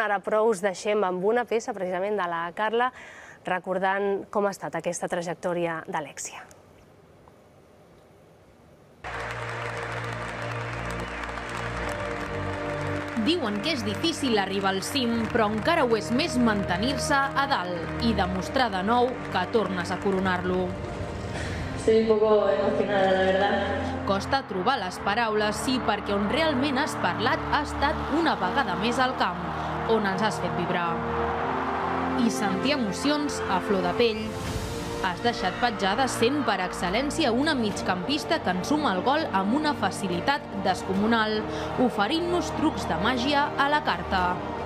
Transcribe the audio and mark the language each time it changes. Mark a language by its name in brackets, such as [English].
[Catalan] Ara però us deixem amb una peça precisament de la Carla recordant com ha estat aquesta trajectòria d'Alexia. Diuen que és difícil arribar al cim, però encara ho és més mantenir-se a dalt i demostrar de nou que tornes a coronar-lo. [Spanish] Estoy un poco emocionada, la verdad. [Catalan] Costa trobar les paraules, sí, perquè on realment has parlat ha estat una vegada més al camp, on ens has fet vibrar. I sentir emocions a flor de pell. Has deixat petjada sent per excel·lència una migcampista que ensuma el gol amb una facilitat descomunal, oferint-nos trucs de màgia a la carta.